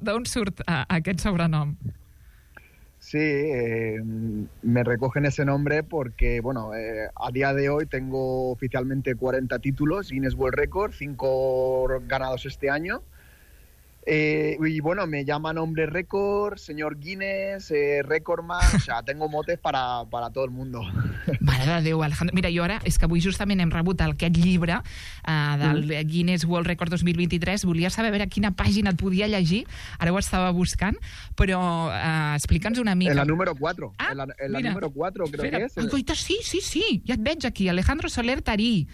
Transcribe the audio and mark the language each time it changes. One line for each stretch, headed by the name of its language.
Catalan: D'on surt aquest sobrenom?
Spanish: Sí, me recogen ese nombre porque, bueno, a día de hoy tengo oficialmente 40 títulos, Guinness World Record, 5 ganados este año. Y bueno, me llaman hombre récord, señor Guinness, récordman, o sea, tengo motes para todo el mundo.
Catalan: Mare de Déu, Alejandro. Mira, jo ara, és que avui justament hem rebut aquest llibre del Guinness World Record 2023. Volia saber a veure quina pàgina et podia llegir. Ara ho estava buscant, però explica'ns una mica.
Spanish: En la número 4.
Catalan: Ah, en la número 4, crec que és. Sí, ja et veig aquí. Alejandro Soler Tarí.